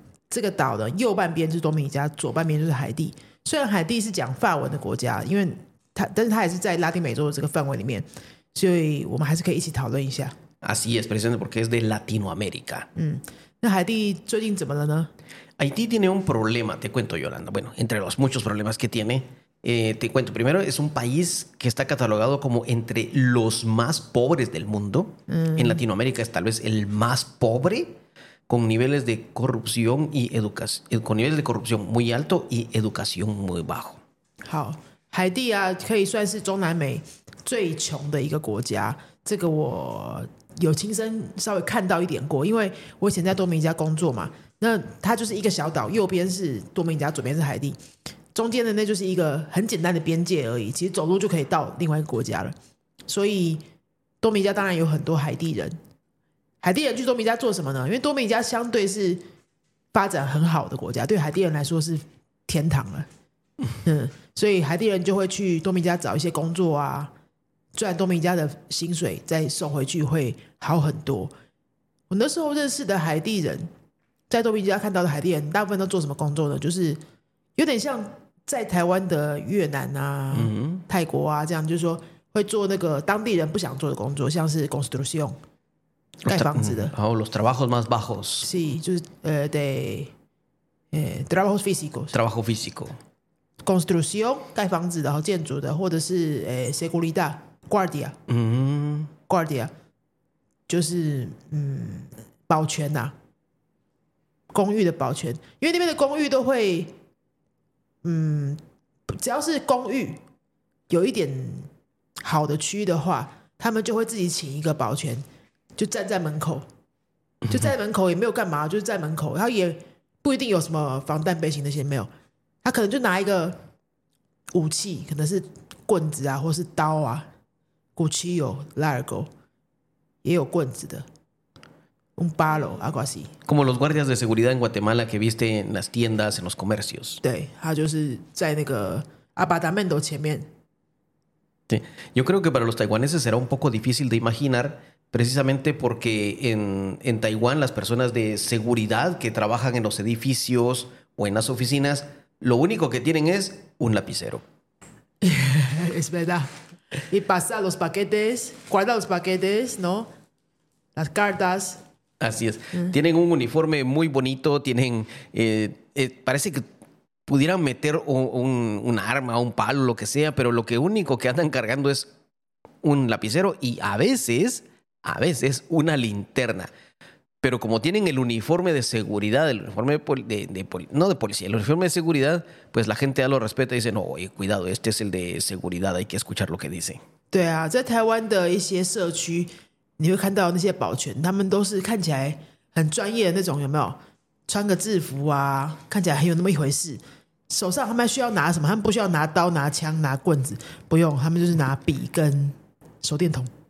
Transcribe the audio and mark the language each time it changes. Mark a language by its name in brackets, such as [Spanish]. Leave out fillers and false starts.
[Chinese] 这个岛的右半边是多米尼加，左半边就是海地。虽然海地是讲法文的国家，因为它，但是它也是在拉丁美洲的这个范围里面，所以我们还是可以一起讨论一下。 [Spanish] Así es, presidente, porque es de Latinoamérica. [Chinese] 嗯，那海地最近怎么了呢？ [Spanish] Haití tiene un problema, te cuento, Yolanda. Bueno, entre los muchos problemas que tiene, te cuento. Primero, es un país que está catalogado como entre los más pobres del mundo. En Latinoamérica es tal vez el más pobre. Con niveles de corrupción y educación, con niveles de corrupción muy alto y educación muy bajo. [Chinese] 好，海地啊，可以算是中南美最穷的一个国家。这个我有亲身稍微看到一点过，因为我以前在多米尼加工作嘛。那它就是一个小岛，右边是多米尼加，左边是海地，中间的那就是一个很简单的边界而已，其实走路就可以到另外一个国家了。所以多米尼加当然有很多海地人。海地人去多米加做什么呢？因为多米加相对是发展很好的国家，对海地人来说是天堂了。所以海地人就会去多米加找一些工作啊，赚多米加的薪水，再送回去会好很多。我那时候认识的海地人，在多米加看到的海地人，大部分都做什么工作呢？就是有点像在台湾的越南啊、泰国啊这样，就是说会做那个当地人不想做的工作，像是 construction。盖房子的 [Spanish] 哦、los trabajos más bajos sí, [Chinese] 就是 [Spanish] de trabajos físicos trabajo físico [Chinese] construcción 盖房子的建筑的或者是 [Spanish] seguridad guardia、 [Chinese] guardia 就是保全啊公寓的保全因为那边的公寓都会只要是公寓有一点好的区域的话他们就会自己请一个保全就站在门口就在门口也没有干嘛就是在门口他也不一定有什么防弹背心那些没有他可能就拿一个武器可能是棍子啊或是刀啊武器有 largo 也有棍子的 [Spanish] un palo algo así como los guardias de seguridad en Guatemala que viste en las tiendas en los comercios [Chinese] 对他就是在那个 apartamento 前面 [Spanish] sí. yo creo que para los taiwaneses será un poco difícil de imaginarPrecisamente porque en Taiwán las personas de seguridad que trabajan en los edificios o en las oficinas, lo único que tienen es un lapicero. Es verdad. Y pasa los paquetes, guarda los paquetes, ¿no? Las cartas. Así es. Tienen un uniforme muy bonito, tienen, parece que pudieran meter un arma, un palo, lo que sea, pero lo que único que andan cargando es un lapicero y a veces una linterna, pero como tienen el uniforme de seguridad, el uniforme de policía, el uniforme de seguridad, pues la gente ya lo respeta y dice, no, oye, cuidado, este es el de seguridad, hay que escuchar lo que dice. [Chinese] 对啊，在台湾的一些社区，你会看到那些保全，他们都是看起来很专业的那种，有没有？穿个制服啊，看起来很有那么一回事。手上他们需要拿什么？他们不需要拿刀、拿枪、拿棍子，不用，他们就是拿笔跟手电筒。